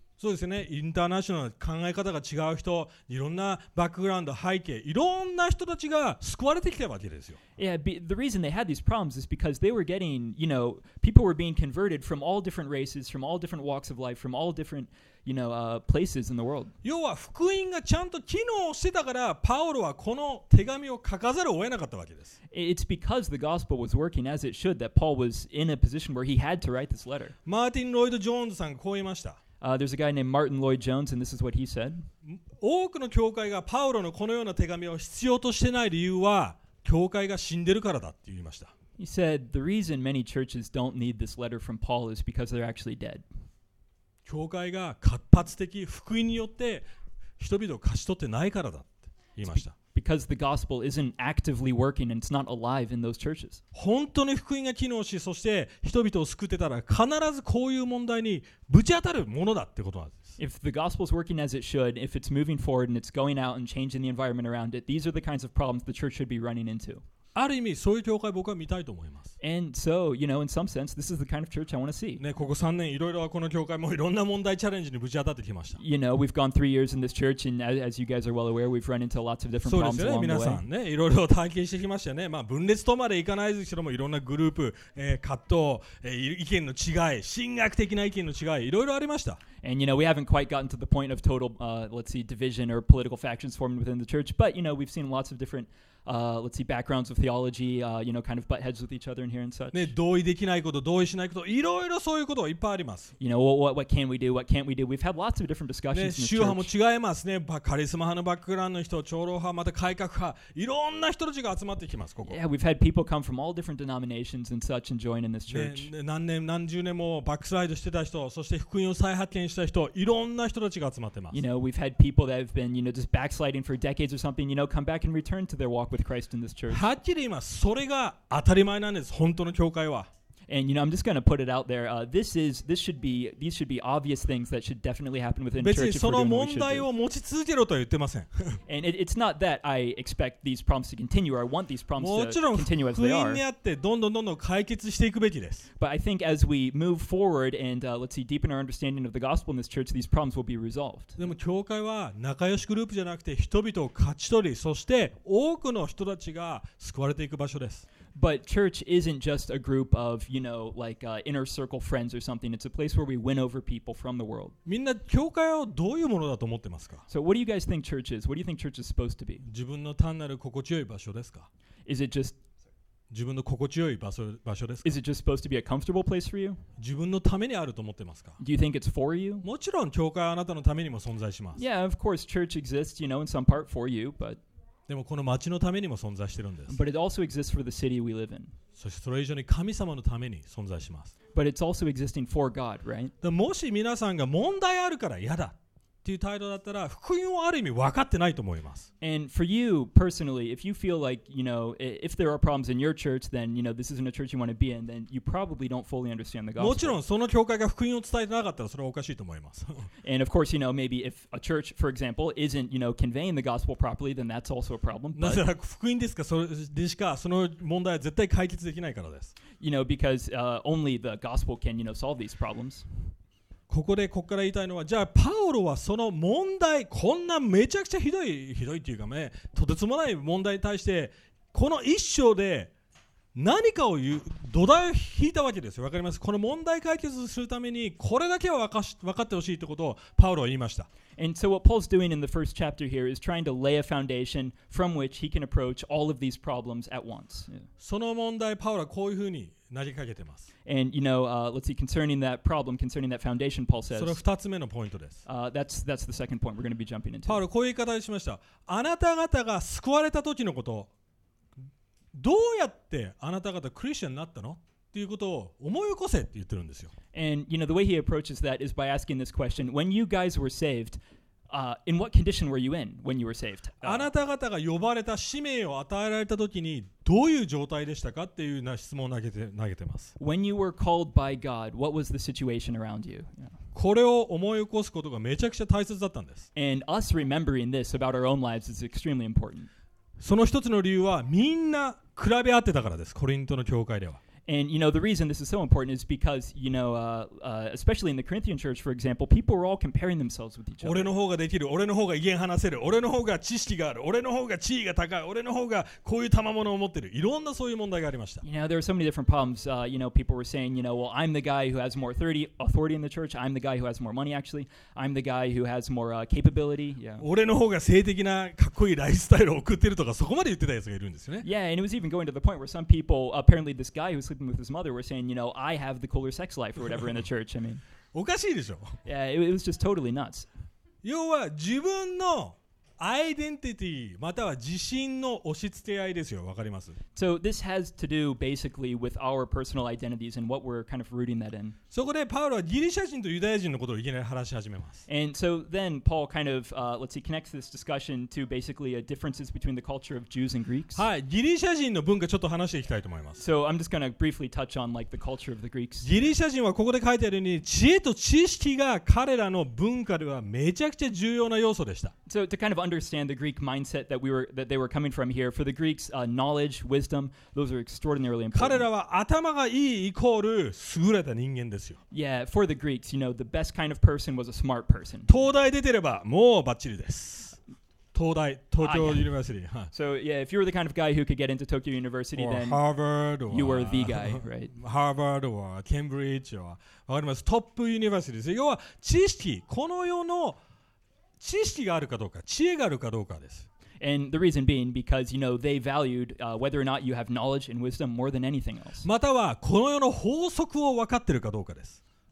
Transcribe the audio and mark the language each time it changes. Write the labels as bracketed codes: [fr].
[ja] そうですね。インターナショナル、考え方が違う人、いろんなバックグラウンド、背景、いろんな人たちが救われてきたわけですよ。 [en] Yeah, the reason they had these problems is because they were getting, you know, people were being converted from all different races, from all different walks of life, from all different, you know, places in the world. [ja] 要は福音がちゃんと機能してたから、パウロはこの手紙を書かざるを得なかったわけです。 [en] It's because the gospel was working as it should that Paul was in a position where he had to write this letter. [ja] マーティン・ロイド・ジョーンズさんがこう言いました。 [en] There's a guy named Martin Lloyd Jones, and this is what he said. [ja] 多くの教会がパウロのこのような手紙を必要としてない理由は、教会が死んでるからだって言いました。 [en] He said the reason many churches don't need this letter from Paul is because they're actually dead. [ja] 教会が活発的福音によって人々を勝ち取ってないからだって言いました。 [en] Because the gospel isn't actively working and it's not alive in those churches. [ja] 本当に福音が機能し、そして人々を救ってたら必ずこういう問題にぶち当たるものだってことなんです。 [en] If the gospel is working as it should, if it's moving forward and it's going out and changing the environment around it, these are the kinds of problems the church should be running into. [ja] ある意味そういう教会僕は見たいと思います。 [en] And so, you know, in some sense, this is the kind of church I want to see. [ja] ね、ここ3年いろいろこの教会もいろんな問題チャレンジにぶち当たってきました。 [en] You know, we've gone 3 years in this church, and as you guys are well aware, we've run into lots of different problems along the way. [ja] そうですよね、皆さんね、いろいろ体験してきましたよね。まあ分裂とまでいかないですけども、いろんなグループ、葛藤、意見の違い、神学的な意見の違い、いろいろありました。 [en] And you know, we haven't quite gotten to the point of total, let's see, division or political factions forming within the church. But you know, we've seen lots of different, let's see, backgrounds of theology, you know, kind of butt heads with each other in here and such. [ja] ね、同意できないこと、同意しないこと、いろいろそういうこといっぱいあります。 [en] You know, what can we do? What can't we do? We've had lots of different discussions. [ja] ね、宗派も違いますね。カリスマ派のバックグラウンドの人、長老派、また改革派、いろんな人たちが集まってきます。ここ。 [en] Yeah, we've had people come from all different denominations and such and join in this church. [ja] ね、何年何十年もバックスライドしてた人、そして福音を再発見した人、いろんな人たちが集まってます。 [en] You know, we've had people that have been, you know, just backsliding for decades or something, you know, come back and return to their walk with Christ in this church. [ja] はっきり言います。それが当たり前なんです。本当の教会は。 [en] And you know, I'm just going to put it out there. These should be obvious things that should definitely happen within church. [ja] 別にその問題を持ち続けろとは言ってません。 [en] And it's not that I expect these problems to continue or I want these problems to continue as they are. [ja] もちろん福音にあってどんどんどんどん解決していくべきです。 [en] But I think as we move forward and let's see, deepen our understanding of the gospel in this church, these problems will be resolved. [ja] でも教会は仲良しグループじゃなくて人々を勝ち取り、そして多くの人たちが救われていく場所です。 [en] But church isn't just a group of, you know, like inner circle friends or something. It's a place where we win over people from the world. [ja] みんな教会をどういうものだと思ってますか? [en] So what do you guys think church is? What do you think church is supposed to be? [ja] 自分の単なる心地よい場所ですか? [en] Is it just [ja] 自分の心地よい場所ですか? [en] Is it just supposed to be a comfortable place for you? [ja] 自分のためにあると思ってますか? [en] Do you think it's for you? [ja] もちろん教会はあなたのためにも存在します。 [en] Yeah, of course church exists, you know, in some part for you, but [ja] でもこの町のためにも存在してるんです。 [en] But it also exists for the city we live in. [ja] そしてそれ以上に神様のために存在します。 [en] But it's also existing for God, right? [ja] でもし皆さんが問題あるから嫌だっていう態度だったら福音をある意味分かってないと思います。 [en] And for you personally, if you feel like, you know, if there are problems in your church, then, you know, this isn't a church you want to be in, then you probably don't fully understand the gospel. [ja] もちろんその教会が福音を伝えてなかったらそれはおかしいと思います。 [en] And of course, you know, maybe if a church, for example, isn't, you know, conveying the gospel properly, then that's also a problem. [ja] なぜなら福音ですか、でしかその問題は絶対解決できないからです。 [en] You know, because only the gospel can, you know, solve these problems. [ja] ここでここから言いたいのは、じゃあパウロはその問題、こんなめちゃくちゃひどいというかね、とてつもない問題に対してこの一章で何かを言う土台を引いたわけですよ。わかります？この問題解決するためにこれだけは分かってほしいということをパウロは言いました。 [en] And so what Paul's doing in the first chapter here is trying to lay a foundation from which he can approach all of these problems at once. [ja] その問題パウロはこういうふうに投げかけてます。 [en] And you know, let's see, concerning that problem, concerning that foundation, Paul says, [ja] それは2つ目のポイントです。 [en] That's the second point we're going to be jumping into. [ja] パウロこういう言い方をしました。あなた方が救われた時のこと、どうやってあなた方クリスチャンになったのっていうことを思い起こせって言ってるんですよ。 [en] And you know, the way he approaches that is by asking this question: when you guys were savedin what condition were you in when you were saved? [ja] あなた方が呼ばれた使命を与えられた時にどういう状態でしたかっていうな質問を投げてます。 [en] When you were called by God, what was the situation around you? [ja] これを思い起こすことがめちゃくちゃ大切だったんです。 [en] And us remembering this about our own lives is extremely important. [ja] その一つの理由はみんな比べ合ってたからです。コリントの教会では。 [en] And you know the reason this is so important is because you know especially in the Corinthian church, for example, people were all comparing themselves with each other. [ja] 俺の方ができる、俺の方が言話せる、俺の方が知識がある、俺の方が地位が高い、俺の方がこういう賜物を持ってる。いろんなそういう問題がありました。 [en] You know, there are so many different problems. You know, people were saying, you know, well, I'm the guy who has more authority in the church. I'm the guy who has more money, actually. I'm the guy who has more capability. Yeah. [ja] 俺の方が性的なかっこいいライフスタイルを送ってるとかそこまで言ってたやつがいるんですよね。 [en] Yeah, and it was even going to the point where some people, apparently, this guy who's sleeping with his mother were saying, you know, I have the cooler sex life or whatever in the church. I mean, [ja] おかしいでしょ? [en] Yeah, it was just totally nuts. [ja] 要は自分のアイデンティティまたは自信の押し付け合いですよ。わかります? [en] So this has to do basically with our personal identities and what we're kind of rooting that in. [ja] そこでパウロはギリシャ人とユダヤ人のことをいきなり話し始めます。 [en] And so then Paul kind of, let's see, connects this discussion to basically a differences between the culture of Jews and Greeks. [ja] はい、ギリシャ人の文化ちょっと話していきたいと思います。 [en] So I'm just going to briefly touch on like the culture of the Greeks. [ja] ギリシャ人はここで書いてあるように知恵と知識が彼らの文化ではめちゃくちゃ重要な要素でした。 [en] So to kind of understand the Greek mindset that they were coming from here. For the Greeks, knowledge, wisdom, those are extraordinarily important. [ja] 彼らは頭がいいイコール優れた人間ですよ。 [en] Yeah, for the Greeks, you know, the best kind of person was a smart person. [ja] 東大出てればもうバッチリです。東大、東京ユニバーシティ。 [en] So yeah, if you were the kind of guy who could get into Tokyo University, or then Harvard, or you were the guy, right? Harvard or Cambridge or [ja] わかります。トップユニバーシティ。要は知識、この世の知識があるかどうか、知恵があるかどうかです。 [en] And the reason being because, you know, they valued whether or not you have knowledge and wisdom more than anything else. [ja] またはこの世の法則を分かってるかどうかです。